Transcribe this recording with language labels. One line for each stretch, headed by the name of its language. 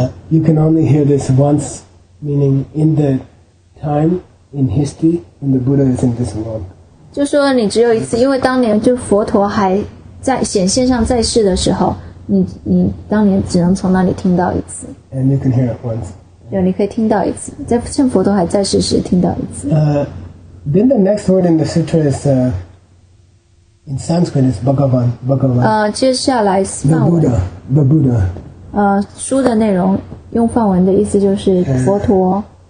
English: you can only hear this once, meaning in the time, in history, when the Buddha is in this world.
Chinese: 就说你只有一次，因为当年就佛陀还在显现上在世的时候，你当年只能从那里听到一次。
English: And you can hear it once.
Chinese: 对，你可以听到一次，在趁佛陀还在世时听到一次。
English: Then the next word in the sutra is, in Sanskrit is Bhagavan, Bhagavan.
Chinese: 接下来是梵文。
English: The Buddha.
Chinese: 书的内容用梵文的意思就是佛陀。